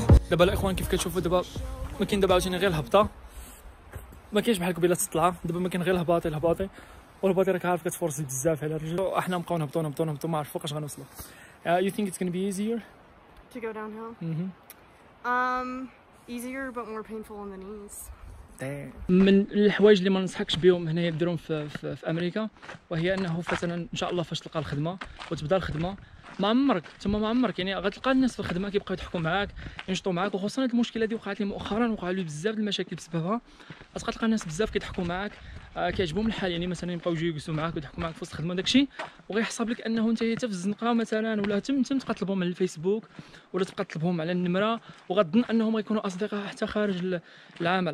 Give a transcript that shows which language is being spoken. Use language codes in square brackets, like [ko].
[ar] دابا الاخوان كيف كتشوفوا دابا ما كاين دابا عاوتاني غير الهبطه ما كاينش بحال قبيله تطلع. دابا ما كاين غير الهباطي الهباطي والهباطي راك عارف كتفورسي بزاف على الرجل. احنا نبقاو نهبطو ما عرف فوقاش غنوصلو. [en] You think it's gonna be easier to go downhill? Easier but more painful on the knees. [ar] من الحوايج اللي ما ننصحكش بهم هنايا ديرهم في امريكا وهي انه مثلا ان شاء الله فاش تلقى الخدمه وتبدا الخدمه ما عمرك يعني غتلقى الناس في الخدمه كيبقاو يضحكوا معاك ينشطوا معاك. وخصوصا هذه المشكله اللي وقعت لي مؤخرا وقع لي بزاف المشاكل بسببها. غتلقى الناس بزاف كيضحكوا معاك كيعجبهم الحال يعني مثلا يبقاو يجيو يجلسوا معاك ويضحكوا معاك في وسط الخدمه داكشي وغيحسب لك انه انت حتى في الزنقه مثلا ولا تم تبقى تطلبهم على الفيسبوك ولا تبقى تطلبهم على النمره وغتظن انهم غيكونوا اصدقاء حتى خارج العمل.